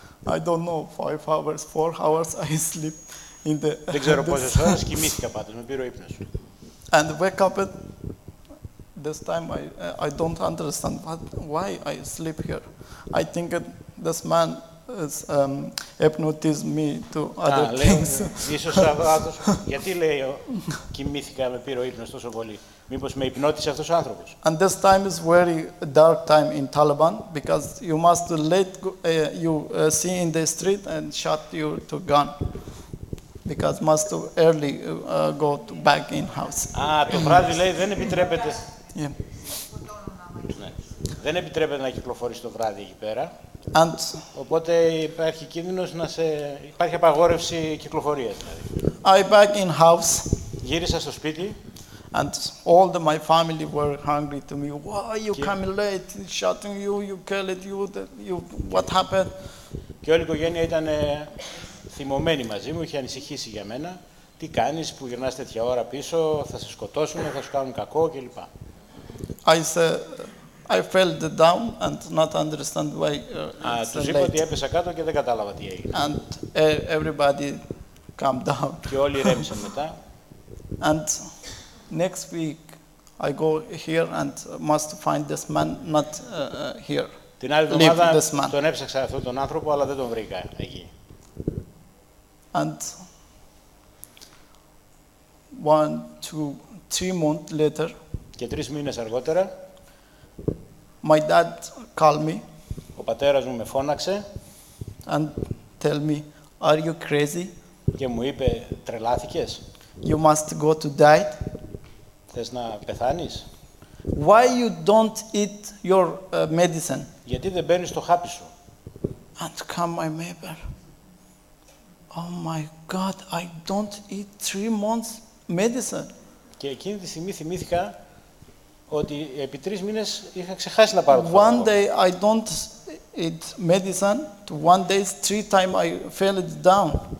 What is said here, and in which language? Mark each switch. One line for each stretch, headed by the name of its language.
English: I don't know 5 hours, 4 hours I sleep in the.
Greek: Δεν ξέρω πόσες ώρες κοιμήθηκα πάντως, με πήρε ο ύπνος.
English: And wake up at this time I don't understand what why I sleep here. I think that this man is hypnotized me to other things.
Greek: Ίσως αυτός, γιατί λέει κοιμήθηκα με πήρε ο ύπνος τόσο πολύ; Μήπως με υπνώτησε αυτός ο άνθρωπος;
English: And this time is very dark time in Taliban because you must let you see in the street and shot you to gun because must early go to back in house.
Greek: Το βράδυ λέει δεν επιτρέπεται.
English: Yeah.
Greek: Δεν επιτρέπεται να κυκλοφορείς το βράδυ εκεί πέρα.
English: And
Greek: οπότε υπάρχει κίνδυνος να σε υπάρχει απαγόρευση κυκλοφορίας.
English: I back in house.
Greek: Γύρισα στο σπίτι.
English: And all the my family were hungry to me. Why you coming late? Shouting you, you killed you. You what happened?
Greek: Και όλη η οικογένεια ήταν θυμωμένη μαζί μου, είχε ανησυχήσει για μένα. Τι κάνεις που γυρνάς τέτοια ώρα πίσω; Θα σε σκοτώσουν, θα σου κάνουν κακό κλπ.
English: I said. I felt down and not understand why it's late.
Greek: Τους είπα ότι έπεσα κάτω και δεν κατάλαβα τι έγινε.
English: And everybody calm down.
Greek: Και όλοι ρέμισαν μετά.
English: And next week I go here and must find this man not here.
Greek: Την άλλη εβδομάδα τον έψαξα αυτόν τον άνθρωπο, αλλά δεν τον βρήκα εκεί.
English: And one, two, 3 months later.
Greek: Και 3 μήνες αργότερα.
English: My dad called me.
Greek: Ο πατέρας μου με φώναξε.
English: And tell me, are you crazy?
Greek: Και μου είπε, τρελάθηκες.
English: You must go to die.
Greek: Θες να πεθάνεις.
English: Why you don't eat your medicine?
Greek: Γιατί δεν παίρνεις το χάπι σου.
English: And come my neighbor. Oh my God, I don't eat 3 months medicine.
Greek: Και εκείνη τη στιγμή θυμήθηκα ότι επί 3 μήνες είχα ξεχάσει να πάρω το χάπι.
English: One day I don't eat medicine. To one day, 3 times I fell it down.